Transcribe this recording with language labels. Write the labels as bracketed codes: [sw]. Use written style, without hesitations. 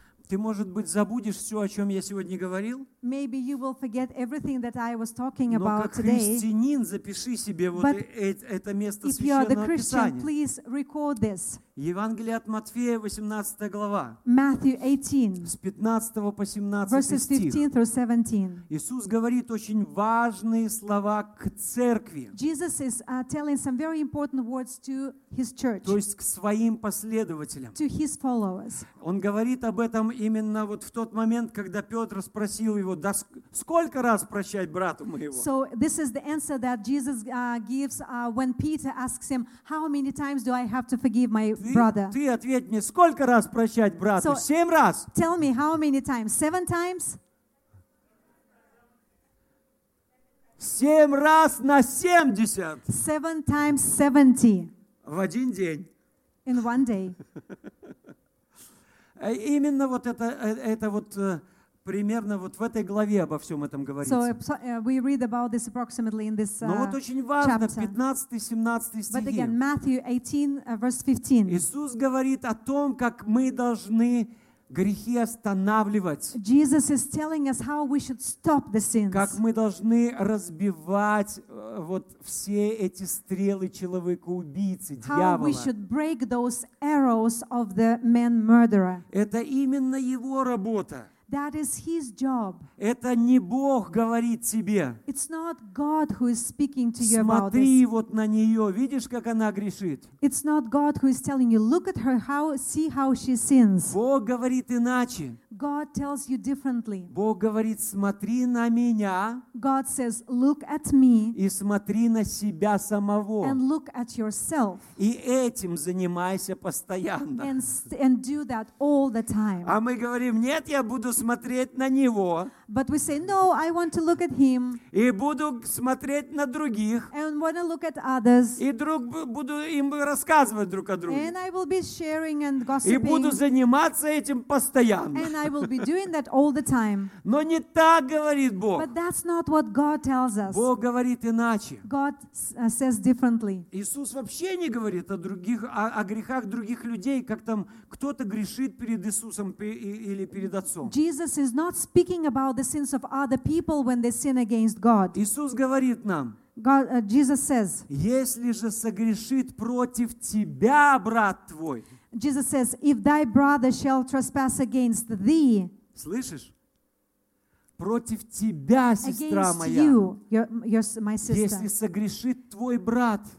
[ru] Ты, может быть, забудешь все, о чем я сегодня говорил? [en] Maybe you will forget everything that I was talking about today. [ru] Но как христианин, запиши себе вот это место Священного Писания. [en] Please record this. [ru] Евангелие от Матфея, 18 глава. [en] Matthew 18. [ru] С 15 по 17 стих. [en] Verses 15 through 17. [ru] Иисус говорит очень важные слова к церкви. [en] Jesus is telling some very important words to his church. [ru] То есть к своим последователям. [en] To his followers. [ru] Он говорит об этом именно вот в тот момент, когда Петр спросил его, да сколько раз прощать брату моего? [en] So this is the answer that Jesus gives when Peter asks him, how many times do I have to forgive my brother? [ru] Ты ответь мне, сколько раз прощать брату? Семь раз? [en] Tell me how many times? Seven times? [ru] Семь раз на 70. [en] Seven times 70. [ru] В один день. [en] In one day. [ru] Именно вот это вот примерно вот в этой главе обо всем этом говорится. [en] So, [ru] Но вот очень важно, 15-17 стихи. [en] But again, Matthew 18, verse 15. [ru] Иисус говорит о том, как мы должны грехи останавливать. [en] Jesus is telling us how we should stop the sins. [ru] Как мы должны разбивать вот все эти стрелы человека-убийцы, дьявола. [en] How we should break those arrows of the man murderer. [ru] Это именно его работа. [en] That is his job. [ru] Это не Бог говорит тебе. [en] It's not God who is speaking to you. [ru] Смотри [en] about this. [ru] Вот на нее, видишь, как она грешит. [en] It's not God who is telling you, look at her, how, see how she sins. [ru] Бог говорит иначе. [en] God tells you differently. [ru] Бог говорит, смотри на меня. [en] God says, look at me. [ru] И смотри на себя самого. [en] And look at yourself. [ru] И этим занимайся постоянно. [en] And do that all the time. [ru] А мы говорим, нет, я буду смотреть на него. [en] But we say, no, I want to look at him. [ru] И буду смотреть на других. [en] And want to look at others. [ru] И друг буду им рассказывать друг о друге. [en] And I will be sharing and gossiping. [ru] И буду заниматься этим постоянно. [en] And I will be doing that all the time. [ru] Но не так говорит Бог. [en] But that's not what God tells us. [ru] Бог говорит иначе. [en] God says differently. [ru] Иисус вообще не говорит о других, о грехах других людей, как там кто-то грешит перед Иисусом или перед Отцом. [en] Jesus is not speaking about the sins of other people when they sin against God. [ru] Иисус говорит нам. [en] God, Jesus says. [ru] Если же согрешит против тебя брат твой. [en] Jesus says, if thy brother shall trespass against thee, [ru] слышишь? Против тебя, сестра моя. [en] Against you, my sister. [ru] Если согрешит твой брат.